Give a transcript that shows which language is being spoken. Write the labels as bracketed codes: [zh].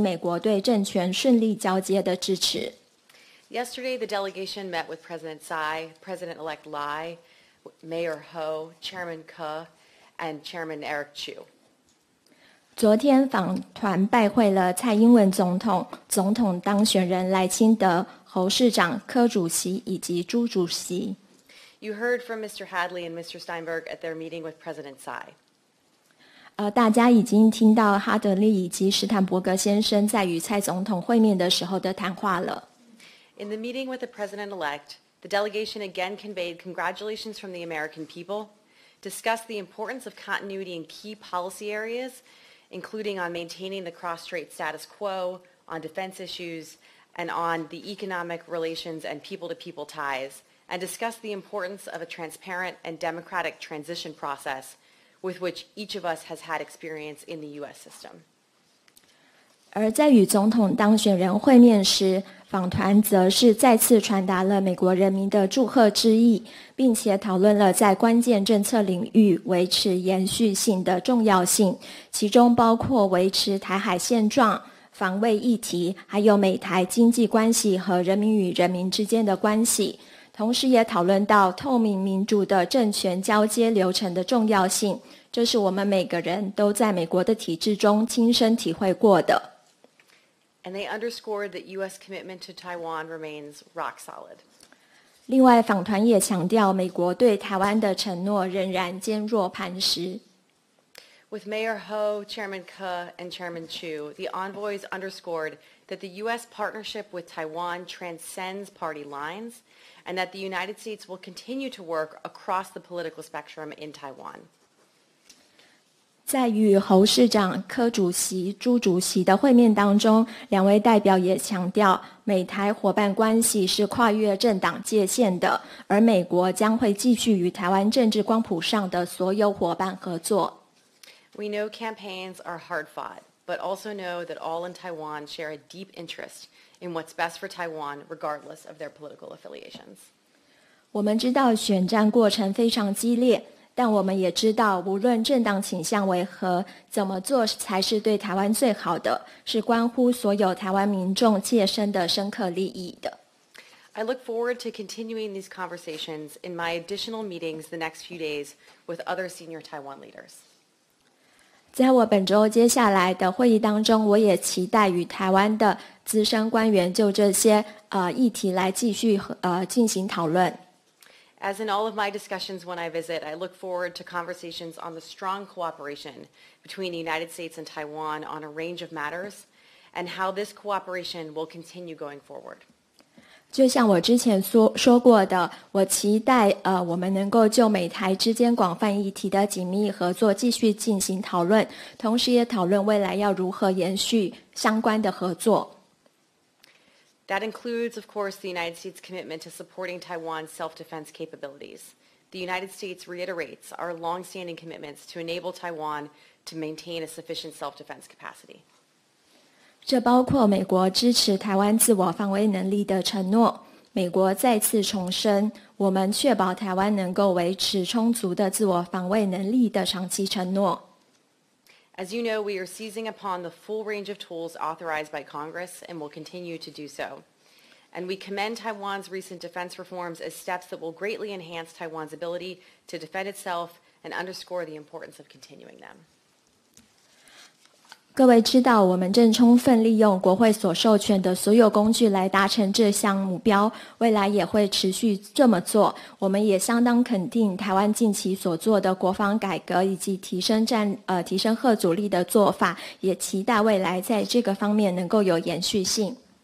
[zh] 美国遵循潜力，在台湾总统选举后派遣这两位代表来台，不只是要传达美国人民对于台湾的祝贺之意，也是要强调美国对台伙伴关系有着跨党派的支持，以及美国对政权顺利交接的支持。 [en] Yesterday, the delegation met with President Tsai, President elect Lai, Mayor Ho, Chairman Ke, and Chairman Eric Chu. [zh] 昨天访团拜会了蔡英文总统、总统当选人赖清德、侯市长、柯主席以及朱主席。 [en] You heard from Mr. Hadley and Mr. Steinberg at their meeting with President Tsai. [zh] 大家已经听到哈德利以及史坦伯格先生在与蔡总统会面的时候的谈话了。 [en] In the meeting with the President-elect, the delegation again conveyed congratulations from the American people, discussed the importance of continuity in key policy areas, including on maintaining the cross-strait status quo, on defense issues, and on the economic relations and people-to-people ties, and discuss the importance of a transparent and democratic transition process with which each of us has had experience in the U.S. system. [zh] 而在与总统当选人会面时，访团则是再次传达了美国人民的祝贺之意，并且讨论了在关键政策领域维持延续性的重要性，其中包括维持台海现状、防卫议题，还有美台经济关系和人民与人民之间的关系，同时也讨论到透明民主的政权交接流程的重要性，这是我们每个人都在美国的体制中亲身体会过的。 [en] And they underscored that U.S. commitment to Taiwan remains rock solid. [zh] 另外，访团也强调美国对台湾的承诺仍然坚若磐石。 [en] With Mayor Ho, Chairman Ke, and Chairman Chu, the envoys underscored that the U.S. partnership with Taiwan transcends party lines, and that the United States will continue to work across the political spectrum in Taiwan. [zh] 在与侯市长、柯主席、朱主席的会面当中，两位代表也强调，美台伙伴关系是跨越政党界限的，而美国将会继续与台湾政治光谱上的所有伙伴合作。 [en] We know campaigns are hard fought, but also know that all in Taiwan share a deep interest in what's best for Taiwan, regardless of their political affiliations. [zh] 我们知道选战过程非常激烈。但我们也知道，无论政党倾向为何，怎么做才是对台湾最好的，是关乎所有台湾民众切身的深刻利益的。 [en] I look forward to continuing these conversations in my additional meetings the next few days with other senior Taiwan leaders. [zh] 在我本周接下来的会议当中，我也期待与台湾的资深官员就这些议题来继续进行讨论。 [en] As in all of my discussions when I visit, I look forward to conversations on the strong cooperation between the United States and Taiwan on a range of matters, and how this cooperation will continue going forward. [zh] 就像我之前说过的，我期待我们能够就美台之间广泛议题的紧密合作继续进行讨论，同时也讨论未来要如何延续相关的合作。 [en] That includes, of course, the United States' commitment to supporting Taiwan's self-defense capabilities. The United States reiterates our long-standing commitments to enable Taiwan to maintain a sufficient self-defense capacity. [zh] 这包括美国支持台湾自我防卫能力的承诺。美国再次重申，我们确保台湾能够维持充足的自我防卫能力的长期承诺。 [en] As you know, we are seizing upon the full range of tools authorized by Congress and will continue to do so. And we commend Taiwan's recent defense reforms as steps that will greatly enhance Taiwan's ability to defend itself and underscore the importance of continuing them. [zh] 各位知道，我们正充分利用国会所授权的所有工具来达成这项目标，未来也会持续这么做。我们也相当肯定台湾近期所做的国防改革以及提升核阻力的做法，也期待未来在这个方面能够有延续性。